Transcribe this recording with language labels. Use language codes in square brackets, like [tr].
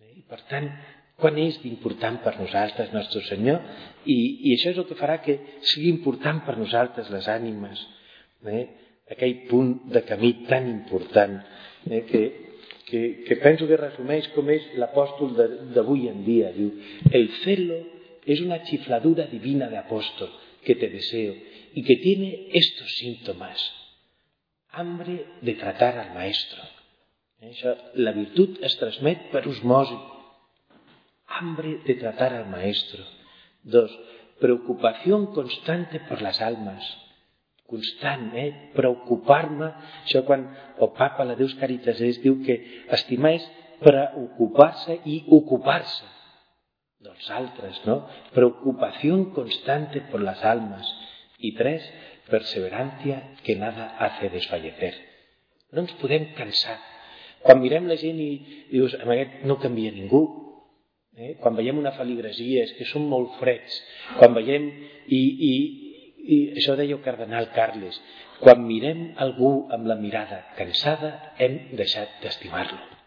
[ca] Per tant, quan és important per nosaltres, Nostre Senyor, i això és el que farà que sigui important per nosaltres les ànimes, aquell punt de camí tan important, que penso que resumeix com és l'apòstol d'avui en dia. Diu, el celo és una xifladura divina d'apòstol que [es] te deseo [ca] i [es] que tiene estos síntomas. Hambre de tratar al maestro. [ca] Això, la virtut es transmet per osmosi. [es] Hambre de tratar al maestro. 2. Preocupación constante por las almas. [ca] Constant, preocupar-me. Això quan el Papa, la Deus Caritas, diu que estimar és preocupar-se i ocupar-se dels altres, no? [es] Preocupación constante por las almas. I 3. Perseverancia que nada hace desfallecer. [ca] No ens podem cansar. Quan mirem la gent i dius, amb aquest no canvia ningú. Quan veiem una feligresia, és que són molt freds. Quan veiem, i això deia el cardenal Carles, quan mirem algú amb la mirada cansada, hem deixat d'estimar-lo.